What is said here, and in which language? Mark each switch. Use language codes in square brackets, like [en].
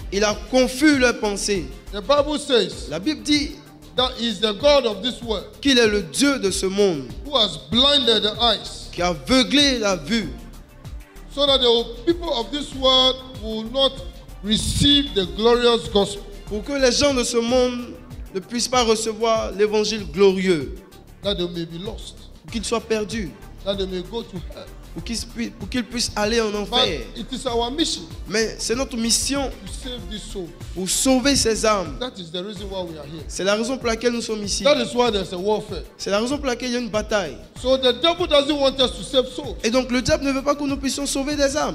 [fr] Il a confus leurs pensées. [en] The Bible says, [fr] la Bible dit [en] that is the God of this world, [fr] qu'il est le Dieu de ce monde, [en] who has blinded the eyes, [fr] qui a aveuglé la vue, [en] so that the people of this world will not receive the glorious gospel, [fr] pour que les gens de ce monde ne puissent pas recevoir l'évangile glorieux, [en] that they may be lost, [fr] pour qu'ils soient perdus, [en] that they may go to hell, [fr] pour qu'ils puissent aller en enfer. [en] But it is our mission, [fr] mais c'est notre mission, [en] to save this soul, [fr] pour sauver ces âmes. [en] That is the reason why we are here. [fr] C'est la raison pour laquelle nous sommes ici. [en] That is why there's a warfare. [fr] C'est la raison pour laquelle il y a une bataille. [en] So the devil doesn't want us to save souls. [fr] Et donc le diable ne veut pas que nous puissions sauver des âmes.